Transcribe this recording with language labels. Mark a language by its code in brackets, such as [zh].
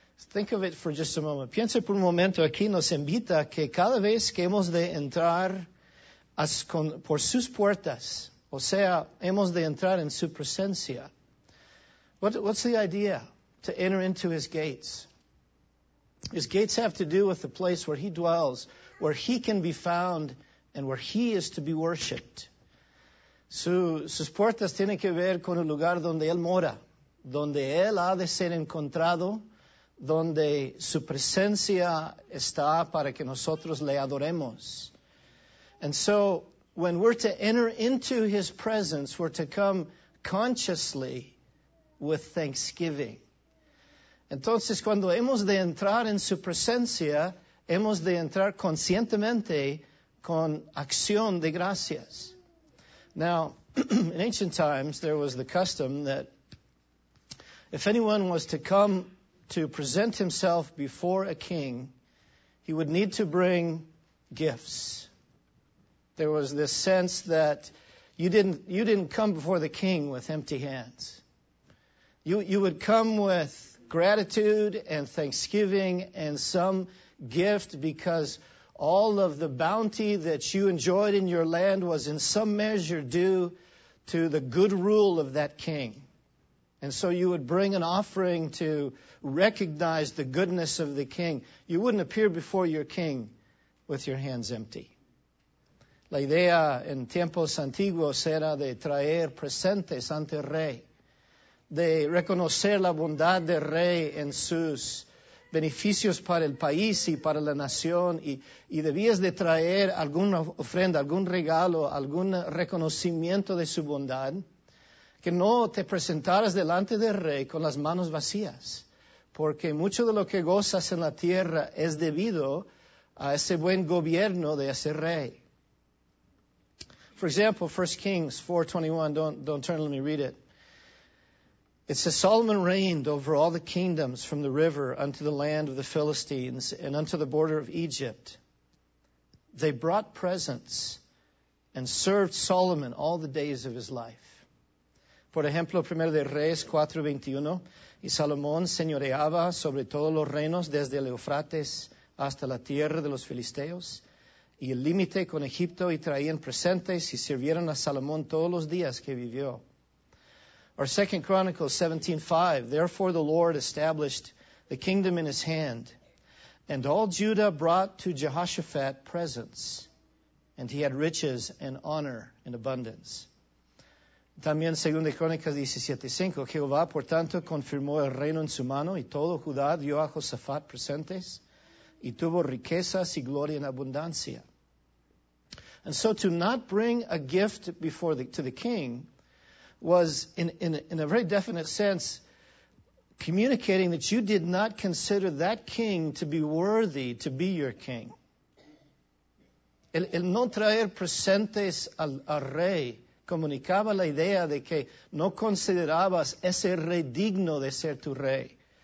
[en] Think of it for just a moment. [es] Piensa por un momento, aquí nos invita que cada vez que hemos de entrar por sus puertas, o sea, hemos de entrar en su presencia. [en] What's the idea? To enter into His gates. His gates have to do with the place where He dwells, where He can be found, and where He is to be worshipped. [es] Sus puertas tienen que ver con el lugar donde Él mora, donde Él ha de ser encontrado, donde su presencia está para que nosotros le adoremos. [en] And so, when we're to enter into His presence, we're to come consciously with thanksgiving. [es] Entonces, cuando hemos de entrar en su presencia, hemos de entrar conscientemente con acción de gracias. [en] Now, in ancient times, there was the custom that if anyone was to come to present himself before a king, he would need to bring gifts. There was this sense that you didn't come before the king with empty hands. You would come with gratitude and thanksgiving and some gift, because all of the bounty that you enjoyed in your land was in some measure due to the good rule of that king. And so you would bring an offering to recognize the goodness of the king. You wouldn't appear before your king with your hands empty. [es] La idea en tiempos antiguos era de traer presentes ante el rey, de reconocer la bondad del rey en sus beneficios para el país y para la nación, y debías de traer alguna ofrenda, algún regalo, algún reconocimiento de su bondad, que no te presentaras delante del rey con las manos vacías, porque mucho de lo que gozas en la tierra es debido a ese buen gobierno de ese rey. [en] For example, 1 Kings 4:21, don't turn, let me read it. It says, Solomon reigned over all the kingdoms from the river unto the land of the Philistines and unto the border of Egypt. They brought presents and served Solomon all the days of his life. [es] Por ejemplo, 1 Reyes 4:21, y Salomón señoreaba sobre todos los reinos desde el Eufrates hasta la tierra de los Filisteos y el límite con Egipto, y traían presentes y sirvieron a Salomón todos los días que vivió. [en] Or 2 Chronicles 17:5, therefore the Lord established the kingdom in His hand, and all Judah brought to Jehoshaphat presents, and he had riches and honor in abundance. [es] También 2 Crónicas 17:5, Jehová, por tanto, confirmó el reino en su mano, y todo Judá dio a Josafat presentes, y tuvo riquezas y gloria en abundancia. [en] And so to not bring a gift before to the king was, in a very definite sense, communicating that you did not consider that king to be worthy to be your king. [es] El no traer presentes al rey comunicaba la idea de que no considerabas ese rey digno de ser tu rey.